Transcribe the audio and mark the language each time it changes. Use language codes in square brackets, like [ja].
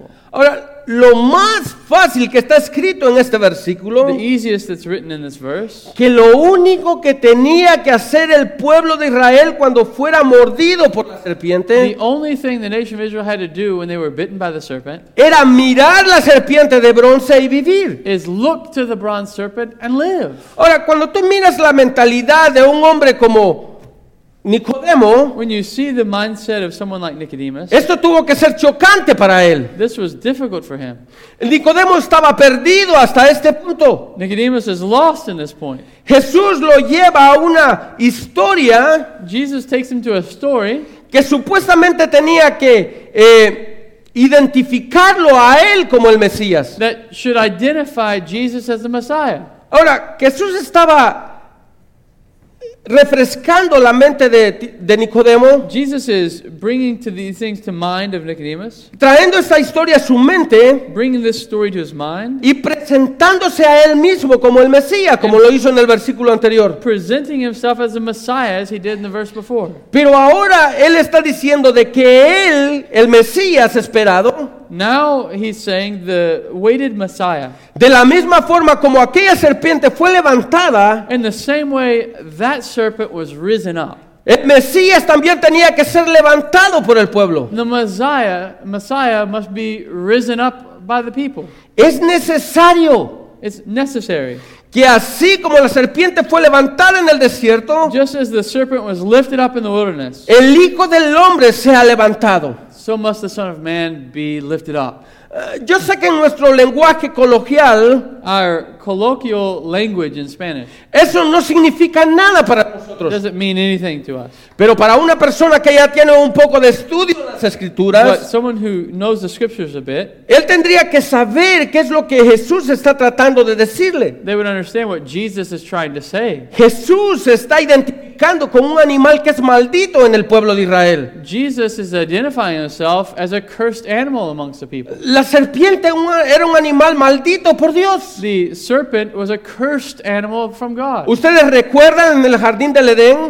[es] Ahora, lo más fácil que está escrito en este versículo, que lo único que tenía que hacer el pueblo de Israel cuando fuera mordido por la serpiente, [en] the only thing the nation of Israel had to do when they were bitten by the serpent, [es] era mirar la serpiente de bronce y vivir. [en] Is look to the bronze serpent and live. [es] Ahora, cuando tú miras la mentalidad de un hombre como Nicodemo, [en] when you see the mindset of someone like Nicodemus, [es] esto tuvo que ser chocante para él. [en] This was difficult for him. [es] Nicodemo estaba perdido hasta este punto. [en] Nicodemus is lost in this point. [es] Jesús lo lleva a una historia. [en] Jesus takes him to a story [es] que supuestamente tenía que identificarlo a él como el Mesías. [en] That should identify Jesus as the Messiah. [es] Ahora, Jesús estaba refrescando la mente de Nicodemo. [en] Jesus is bringing to these things to mind of Nicodemus. [es] Trayendo esta historia a su mente. [en] Bringing this story to his mind. [es] Y presentándose a él mismo como el Mesías, como lo hizo en el versículo anterior. [en] Presenting himself as the Messiah as he did in the verse before. [es] Pero ahora él está diciendo de que él, el Mesías esperado. [en] Now he's saying the waited Messiah. [es] De la misma forma como aquella serpiente fue levantada, [en] in the same way that serpent was risen up. [es] El Mesías también tenía que ser levantado por el pueblo. [en] The Messiah must be risen up by the people. [es] Es necesario. [en] It's necessary. [es] Que así como la serpiente fue levantada en el desierto, [en] just as the serpent was lifted up in the wilderness. [es] El Hijo del Hombre sea levantado. [en] So must the Son of Man be lifted up. [es] Yo sé que en nuestro lenguaje coloquial, [en] our colloquial language in Spanish, [es] eso no significa nada para nosotros. [en] Doesn't mean anything to us. [es] Pero para una persona que ya tiene un poco de estudio de las Escrituras, [en] but someone who knows the Scriptures a bit, [es] él tendría que saber qué es lo que Jesús está tratando de decirle. [en] They would understand what Jesus is trying to say. [es] Jesús está identificando con un animal que es maldito en el pueblo de Israel. [en] Jesus is identifying himself as a cursed animal amongst the people. [es] La serpiente era un animal maldito por Dios. [en] The serpent was a cursed animal from God. [es] ¿Ustedes recuerdan en el jardín del Edén?